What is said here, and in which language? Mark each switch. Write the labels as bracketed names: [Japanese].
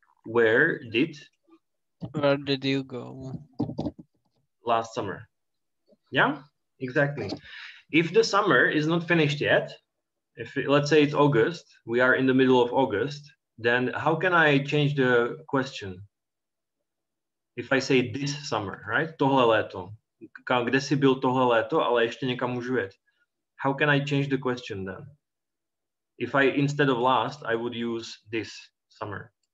[English] Where did you go? Last summer. Yeah, exactly. If the summer is not finished yet, let's say it's August, we are in the middle of August, then how can I change the question? If I say this summer, right? [Czech] Tohle léto. Kde jsi byl tohle léto, ale ještě někam můžu jet. [English] How can I change the question then? If I, instead of last, I would use this summer.